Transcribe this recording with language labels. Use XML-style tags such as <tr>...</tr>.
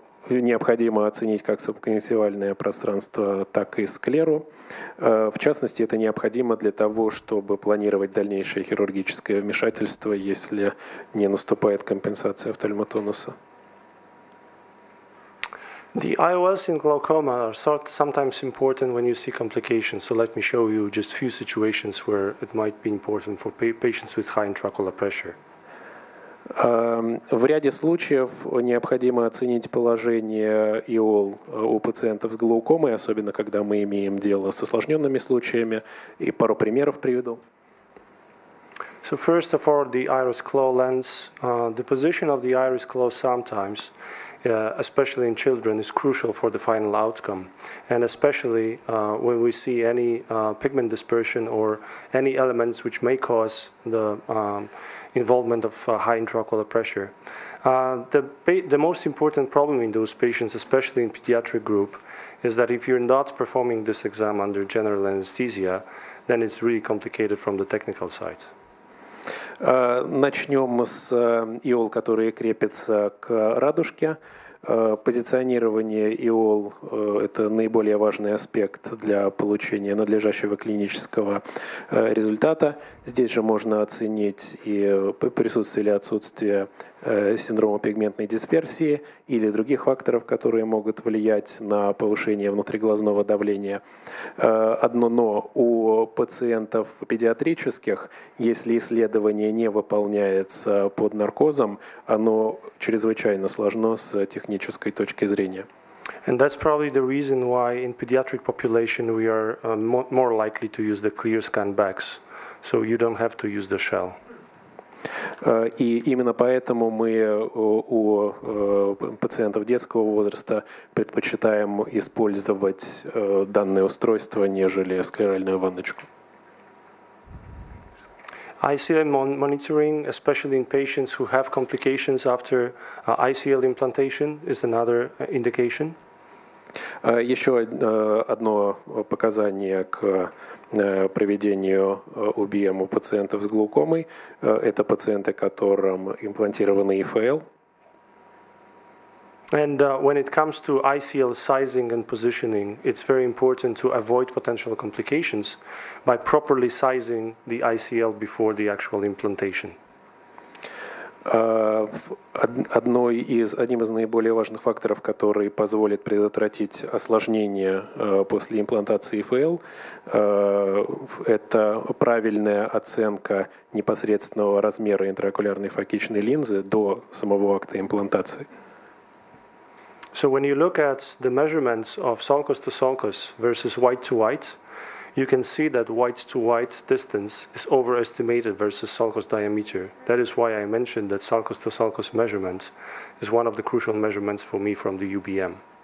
<ru>Необходимо оценить как субконъюнктивальное пространство, так и склеру. В частности, это необходимо для того, чтобы планировать дальнейшее хирургическое вмешательство, если не наступает компенсация офтальмотонуса.</ru> <en>The IOLs in glaucoma are sometimes important when you see complications. So let me show you just few situations where it might be important for patients with high intraocular pressure.</en> <ru>В ряде случаев необходимо оценить положение ИОЛ у пациентов с глаукомой, особенно когда мы имеем дело с осложненными случаями. И пару примеров приведу.</ru> <en>So first of all, the iris claw lens. The position of the iris claw sometimes, especially in children, is crucial for the final outcome. And especially when we see any pigment dispersion or any elements which may cause the involvement of high intraocular pressure. The most important problem in those patients, especially in pediatric group, is that if you're not performing this exam under general anesthesia, then it's really complicated from the technical side.</en> <ru>Начнем с ИОЛ, который крепится к радужке. Позиционирование ИОЛ – это наиболее важный аспект для получения надлежащего клинического результата. Здесь же можно оценить и присутствие или отсутствие синдрома пигментной дисперсии или других факторов, которые могут влиять на повышение внутриглазного давления. Одно «но» – у пациентов педиатрических, если исследование не выполняется под наркозом, оно чрезвычайно сложно с технической точки зрения.</ru> <en>And that's probably the reason why in pediatric population we are more likely to use the clear scan bags, so you don't have to use the shell.</en> <ru>И именно поэтому мы у пациентов детского возраста предпочитаем использовать данное устройство, нежели склеральную ванночку.</ru> <en>ICL monitoring, especially in patients who have complications after ICL implantation, is another indication.</en> <ru>Еще одно показание к проведению UBM у пациентов с глаукомой – это пациенты, которым имплантированы ИФЛ.</ru> <en>And when it comes to ICL sizing and positioning, it's very important to avoid potential complications by properly sizing the ICL before the actual implantation.</en> <ru>Одним из наиболее важных факторов, который позволит предотвратить осложнения после имплантации ИФЛ, это правильная оценка непосредственного размера интраокулярной фокичной линзы до самого акта имплантации.</ru> <en>So when you look at the measurements of sulcus to sulcus versus white to white, you can see that white to white distance is overestimated versus sulcus diameter. That is why I mentioned that sulcus to sulcus measurement is one of the crucial measurements for me from the UBM.</en>